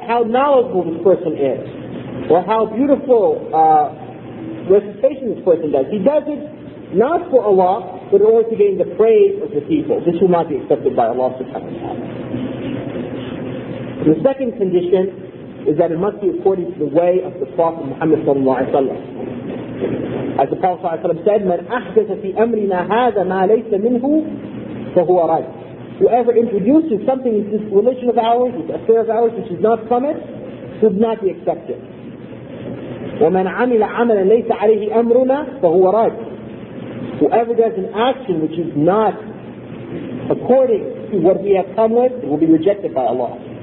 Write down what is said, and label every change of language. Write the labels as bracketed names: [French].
[English] How knowledgeable this person is. Or how beautiful recitation this person does. He does it not for Allah, but in order to gain the praise of the people. This will not be accepted by Allah subhanahu wa ta'ala. The second condition is that it must be according to the way of the Prophet Muhammad sallallahu alaihi wasallam. As the Prophet sallallahu alaihi wasallam said, [Arabic] مَنْ أَحْدَثَ فِي أَمْرِنَا هَذَا مَا لَيْسَ مِنْهُ فَهُوَ رَيْسَ. [English] Whoever introduces something into this religion of ours, this affair of ours, which is not from it, should not be accepted. [Arabic] وَمَنْ عَمِلَ عَمَلًا لَيْسَ عَلَيْهِ أَمْرُنَا فَهُوَ رَيْسَ. [English] Whoever does an action which is not according to what we have come with, it will be rejected by Allah.